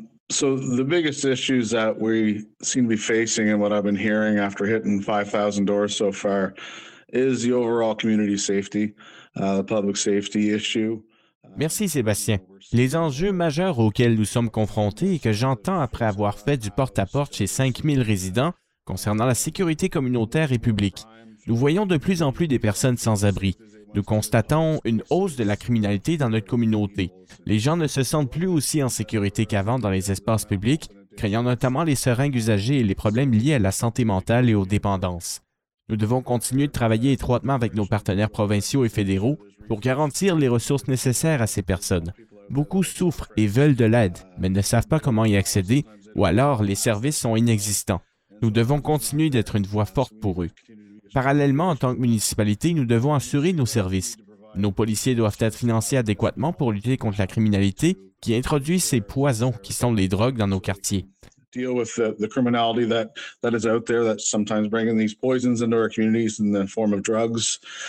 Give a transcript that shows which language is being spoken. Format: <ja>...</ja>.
<en>So the biggest issues that we seem to be facing, and what I've been hearing after hitting 5,000 doors so far, is the overall community safety, the public safety issue.</en> <fr>Merci, Sébastien. Les enjeux majeurs auxquels nous sommes confrontés et que j'entends après avoir fait du porte-à-porte chez 5 000 résidents concernant la sécurité communautaire et publique. Nous voyons de plus en plus des personnes sans-abri. Nous constatons une hausse de la criminalité dans notre communauté. Les gens ne se sentent plus aussi en sécurité qu'avant dans les espaces publics, craignant notamment les seringues usagées et les problèmes liés à la santé mentale et aux dépendances. Nous devons continuer de travailler étroitement avec nos partenaires provinciaux et fédéraux pour garantir les ressources nécessaires à ces personnes. Beaucoup souffrent et veulent de l'aide, mais ne savent pas comment y accéder, ou alors les services sont inexistants. Nous devons continuer d'être une voix forte pour eux. Parallèlement, en tant que municipalité, nous devons assurer nos services. Nos policiers doivent être financés adéquatement pour lutter contre la criminalité qui introduit ces poisons qui sont les drogues dans nos quartiers.</fr> <en>Deal with the criminality that is out there that's sometimes bringing these poisons into our communities in the form of drugs.</en>